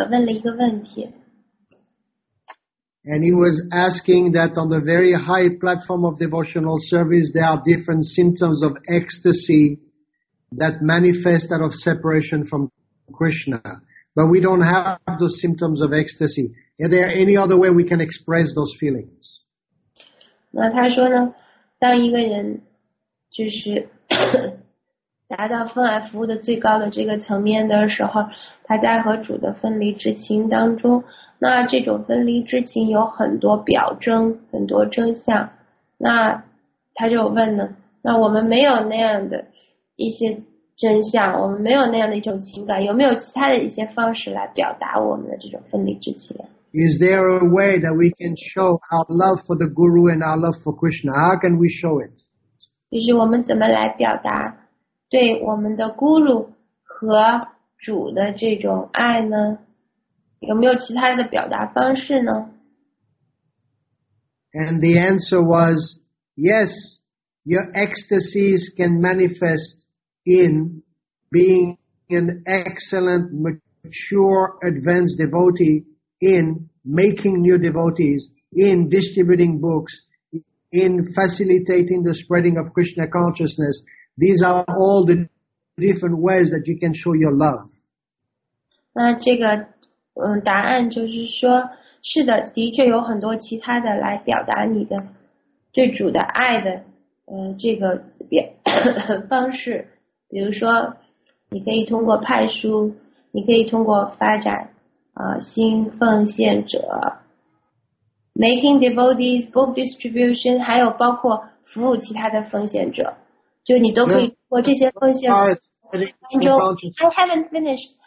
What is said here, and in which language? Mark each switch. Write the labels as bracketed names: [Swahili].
[English] And he was asking that on the very high platform of devotional service, there are different symptoms of ecstasy that manifest out of separation from Krishna. But we don't have those symptoms of ecstasy. Is there any other way we can express those feelings? [Chinese] 那他说呢，当一个人就是达到分爱服务的最高的这个层面的时候，他在和主的分离之情当中，那这种分离之情有很多表征，很多征象。那他就问呢，那我们没有那样的一些真相，我们没有那样的一种情感，有没有其他的一些方式来表达我们的这种分离之情？ [English] Is there a way that we can show our love for the Guru and our love for Krishna? How can we show it? [Chinese] 就是我们怎么来表达对我们的 Guru 和主的这种爱呢？有没有其他的表达方式呢？ [English] And the answer was, yes, your ecstasies can manifest in being an excellent, mature, advanced devotee, in making new devotees, in distributing books, in facilitating the spreading of Krishna consciousness. These are all the different ways that you can show your love. [Chinese] 那这个答案就是说，是的，的确有很多其他的来表达你的对主的爱的这个方式。比如说你可以通过派书，你可以通过发展新奉献者， [English] making devotees, book distribution, [Chinese] 还有包括服务其他的奉献者，就你都可以通过这些奉献者当中。 [English] I haven't finished